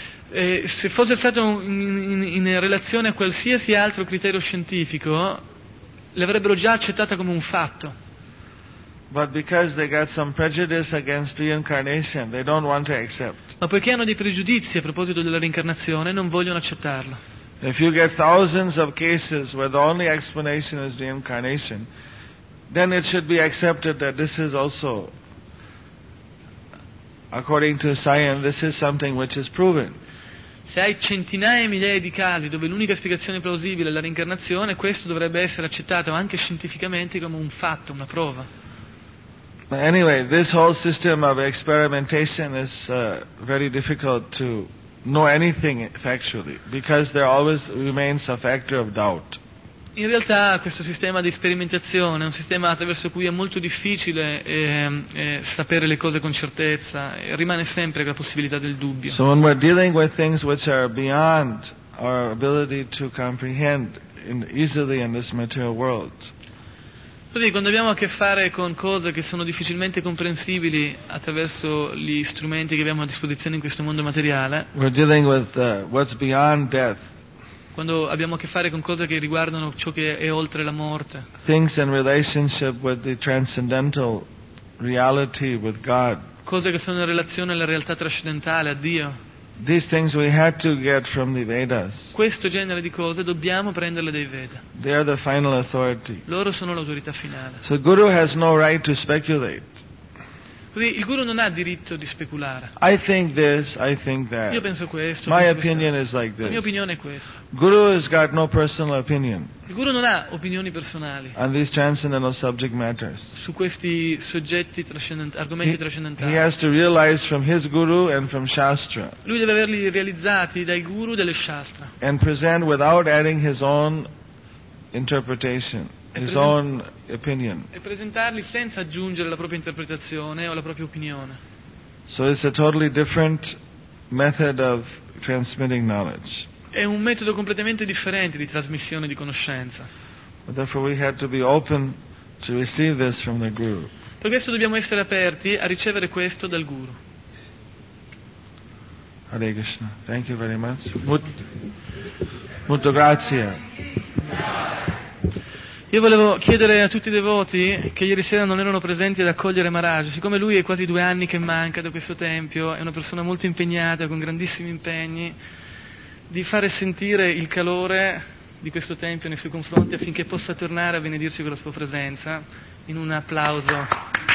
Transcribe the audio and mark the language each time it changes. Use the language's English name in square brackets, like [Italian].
[Italian] Se fosse stato in relazione a qualsiasi altro criterio scientifico, l'avrebbero già accettata come un fatto. [English] But because they got some prejudice against reincarnation, they don't want to accept. [Italian] Ma poiché hanno dei pregiudizi a proposito della reincarnazione, non vogliono accettarlo. [English] If you get thousands of cases where the only explanation is reincarnation, then it should be accepted that this is also, according to science, this is something which is proven. [Italian] Se hai centinaia e migliaia di casi dove l'unica spiegazione plausibile è la reincarnazione, questo dovrebbe essere accettato anche scientificamente come un fatto, una prova. [English] Anyway, this whole system of experimentation is very difficult to know anything factually because there always remains a factor of doubt. [Italian] In realtà questo sistema di sperimentazione è un sistema attraverso cui è molto difficile sapere le cose con certezza, rimane sempre la possibilità del dubbio. [English] So when we're dealing with things which are beyond our ability to comprehend easily in this material world. [Italian] Quindi quando abbiamo a che fare con cose che sono difficilmente comprensibili attraverso gli strumenti che abbiamo a disposizione in questo mondo materiale, [English] we're dealing with, what's beyond death, [Italian] quando abbiamo a che fare con cose che riguardano ciò che è oltre la morte, [English] things in relationship with the transcendental reality with God, [Italian] cose che sono in relazione alla realtà trascendentale, a Dio, [English] these things we had to get from the Vedas. [Italian] Questo genere di cose dobbiamo prenderle dai Veda. [English] They are the final authority. [Italian] Loro sono l'autorità finale. [English] So Guru has no right to speculate. [Italian] Quindi il Guru non ha diritto di speculare. [English] I think this, I think that. [Italian] Io penso questo. [English] My opinion is like this. [Italian] La mia opinione è questa. [English] Guru has got no personal opinion. [Italian] Il Guru non ha opinioni personali. [English] On these transcendental subject matters. [Italian] Su questi soggetti trascendentali, argomenti trascendentali. [English] He has to realize from his Guru and from Shastra. [Italian] Lui deve averli realizzati dai Guru delle Shastra. [English] And present without adding his own interpretation. His own opinion. [Italian] E presentarli senza aggiungere la propria interpretazione o la propria opinione. [English] So it's a totally different method of transmitting knowledge. [Italian] È un metodo completamente differente di trasmissione di conoscenza. [English] Therefore we had to be open to receive this from the Guru. [Italian] Per questo dobbiamo essere aperti a ricevere questo dal Guru. [English] Hare Krishna. Thank you very much. [Italian] Molto grazie. Io volevo chiedere a tutti i devoti che ieri sera non erano presenti ad accogliere Maharaj, siccome lui è quasi 2 anni che manca da questo tempio, è una persona molto impegnata, con grandissimi impegni, di fare sentire il calore di questo tempio nei suoi confronti affinché possa tornare a benedirci con la sua presenza, in un applauso.